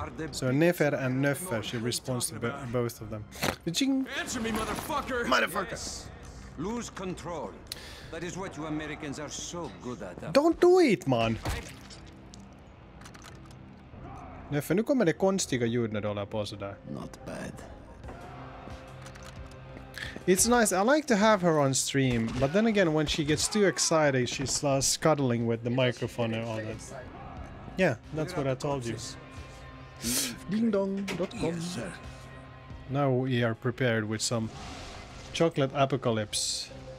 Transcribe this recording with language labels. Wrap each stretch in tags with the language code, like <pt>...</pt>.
<en>So Nefer and Nefer, she responds to both of them. Answer me, motherfucker! Motherfucker! Yes. Lose control. That is what you Americans are so good at. Don't do it, man!</en> <sv>Neffe, nu kommer det konstiga ljud när du håller på sådär.</sv> <en>Not bad. It's nice, I like to have her on stream, but then again, when she gets too excited, she starts scuttling with the microphone and all that. Yeah, that's what I told you. Dingdong.com. Yes, sir. Now we are prepared with some chocolate apocalypse.</en>